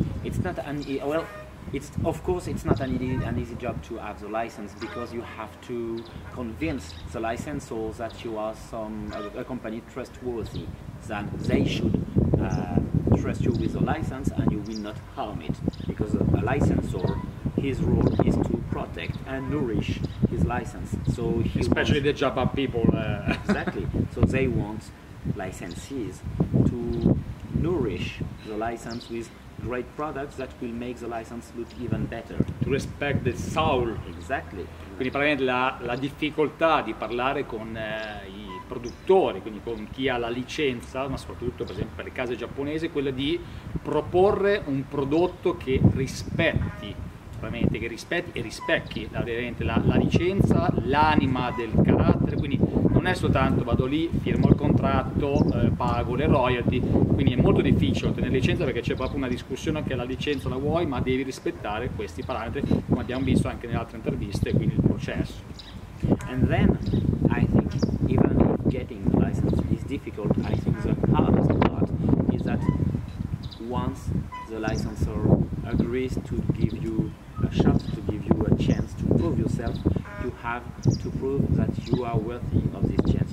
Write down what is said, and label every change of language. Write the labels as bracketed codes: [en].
[en] It's not an easy job to have the license, because you have to convince the licensor that you are a company trustworthy, that they should trust you with the license and you will not harm it, because a licensor, his role is to protect and nourish his license. So he especially wants, the Java people. Exactly. So they want licensees to nourish the license with great products that will make the license look even better. To respect the soul. Exactly. [it] Quindi praticamente la difficoltà di parlare con i produttori, quindi con chi ha la licenza, ma soprattutto per esempio per le case giapponesi, quella di proporre un prodotto che rispetti. Che rispetti e rispecchi la licenza, l'anima del carattere, quindi non è soltanto vado lì, firmo il contratto, pago le royalty, quindi è molto difficile ottenere licenza, perché c'è proprio una discussione che la licenza la vuoi, ma devi rispettare questi parametri, come abbiamo visto anche nelle altre interviste, quindi il processo. [en] And then I think even if getting the license is difficult, I think the hardest part is that once the licensor agrees to give you a shot, to give you a chance to prove yourself, you have to prove that you are worthy of this chance.